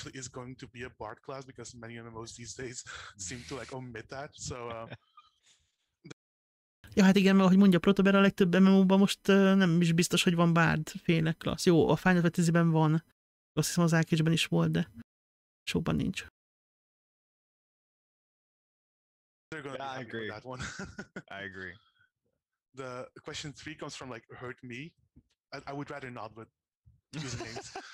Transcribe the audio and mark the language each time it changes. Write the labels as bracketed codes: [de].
[en] It's going to be a bard class, because many MMOs these days seem to like omit that, so... [hu] Ja, hát igen, mert ahogy mondja Protober, a legtöbb MMO-ban most nem is biztos, hogy van bard féle klassz. Jó, a Final Fantasy-ben van. Azt hiszem az Arcage-ben is volt, de showban nincs. [en] They're gonna yeah, I agree. That one. I agree. The question 3 comes from like, hurt me. I would rather not, but use names.